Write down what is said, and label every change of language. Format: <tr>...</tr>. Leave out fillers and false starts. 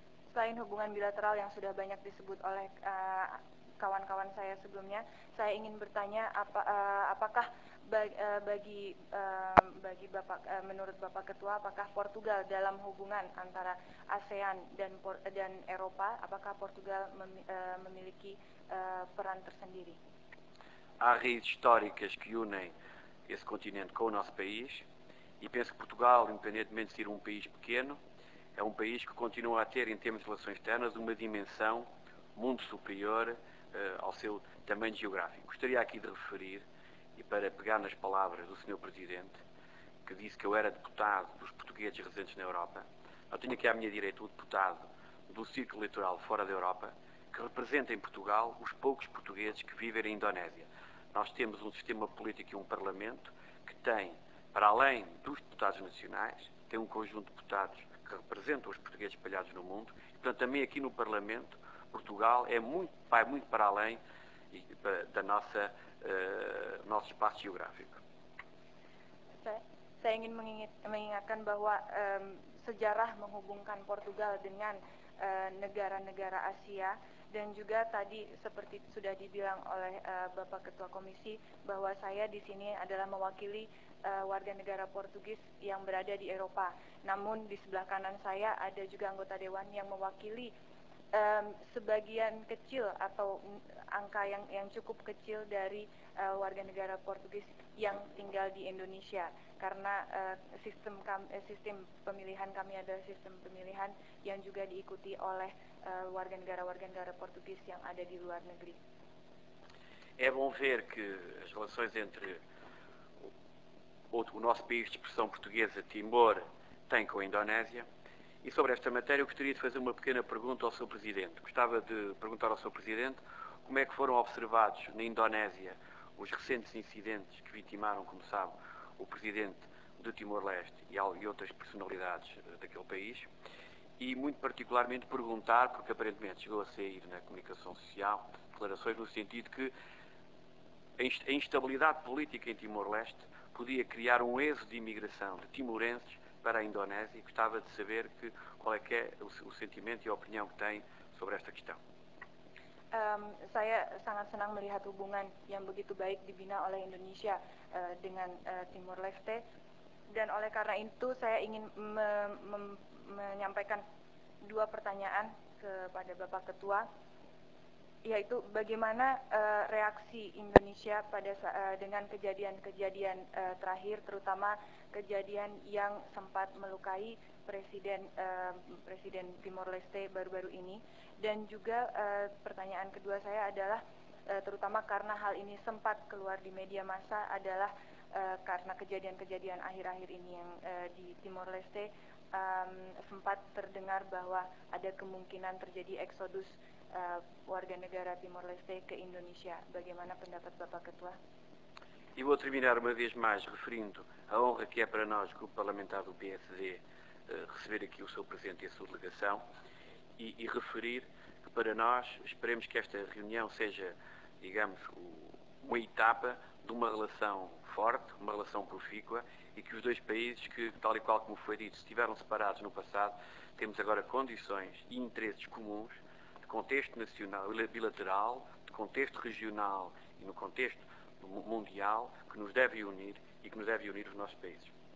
<id>Selain hubungan bilateral yang sudah banyak disebut oleh kawan-kawan saya sebelumnya, saya ingin bertanya apakah bagi Bapak, menurut Bapak Ketua, apakah Portugal dalam hubungan antara ASEAN dan Eropa, apakah Portugal memiliki peran tersendiri?</id> <pt>Há redes históricas que unem esse continente com o nosso país e penso que Portugal, independentemente de ser país pequeno, é país que continua a ter, em termos de relações externas, uma dimensão muito superior ao seu tamanho geográfico. Gostaria aqui de referir, e para pegar nas palavras do Sr. Presidente, que disse que eu era deputado dos portugueses residentes na Europa, eu tenho aqui à minha direita o deputado do círculo eleitoral fora da Europa, que representa em Portugal os poucos portugueses que vivem na Indonésia. Nós temos um sistema político e um parlamento que tem, para além dos deputados nacionais, tem um conjunto de deputados que representam os portugueses espalhados no mundo, e, portanto, também aqui no Parlamento, Portugal vai muito para além da nossa nosso espaço geográfico.</pt> <id>Saya ingin mengingatkan bahwa sejarah menghubungkan Portugal dengan negara-negara Asia, dan juga tadi seperti sudah dibilang oleh Bapak Ketua Komisi bahwa saya di sini adalah mewakili warga negara Portugis yang berada di Eropa. Namun di sebelah kanan saya ada juga anggota dewan yang mewakili sebagian kecil atau angka yang cukup kecil dari warga negara Portugis yang tinggal di Indonesia, karena sistem pemilihan kami adalah sistem pemilihan yang juga diikuti oleh warga negara Portugis yang ada di luar negeri.</id> <pt>É bom ver que as relações entre o nosso país de expressão portuguesa, Timor, tem com a Indonésia. E sobre esta matéria, eu gostaria de fazer uma pequena pergunta ao Sr. Presidente. Gostava de perguntar ao Sr. Presidente como é que foram observados na Indonésia os recentes incidentes que vitimaram, como sabe, o Presidente do Timor-Leste e outras personalidades daquele país. E muito particularmente perguntar, porque aparentemente chegou a sair na comunicação social declarações no sentido que a instabilidade política em Timor-Leste podia criar um êxodo de imigração de timorenses para a Indonésia, e gostava de saber qual é que é o sentimento e a opinião que tem sobre esta questão.</pt> <id>Saya sangat senang melihat hubungan yang begitu baik dibina oleh Indonesia dengan Timor Leste, dan oleh karena itu saya ingin menyampaikan dua pertanyaan kepada Bapak Ketua, yaitu bagaimana reaksi Indonesia pada dengan kejadian-kejadian terakhir, terutama kejadian yang sempat melukai presiden Timor Leste baru-baru ini. Dan juga pertanyaan kedua saya adalah terutama karena hal ini sempat keluar di media massa adalah karena kejadian-kejadian akhir-akhir ini yang di Timor Leste sempat terdengar bahwa ada kemungkinan terjadi eksodus warga negara Timor Leste ke Indonesia. Bagaimana pendapat Bapak Ketua?</id> <pt>E vou terminar uma vez mais referindo a honra que é para nós, Grupo Parlamentar do PSD, receber aqui o Sr. Presidente e a sua delegação e referir que para nós esperemos que esta reunião seja, digamos, uma etapa de uma relação forte, uma relação profícua, e que os dois países que, tal e qual como foi dito, estiveram separados no passado, temos agora condições e interesses comuns de contexto nacional e bilateral, de contexto regional e no contexto mundial que nos deve unir e que nos deve unir os nossos países.</pt>